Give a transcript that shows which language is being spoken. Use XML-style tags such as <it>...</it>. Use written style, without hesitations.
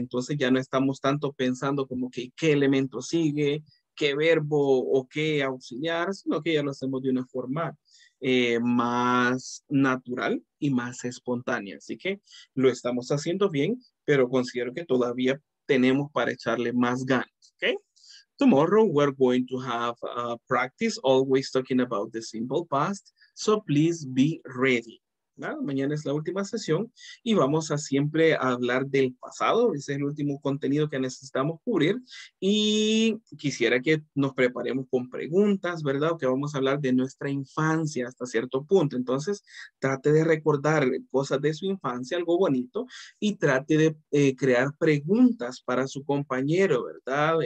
<es>Entonces ya no estamos tanto pensando como que qué elemento sigue, qué verbo o qué auxiliar, sino que ya lo hacemos de una forma más natural y más espontánea. Así que lo estamos haciendo bien, pero considero que todavía tenemos para echarle más ganas, ¿ok?</es> <en>Tomorrow we're going to have a practice always talking about the simple past, so please be ready.</en> <es>Nada, mañana es la última sesión y vamos a siempre hablar del pasado. Ese es el último contenido que necesitamos cubrir y quisiera que nos preparemos con preguntas, ¿verdad? O que vamos a hablar de nuestra infancia hasta cierto punto. Entonces, trate de recordar cosas de su infancia, algo bonito, y trate de crear preguntas para su compañero, ¿verdad?</es>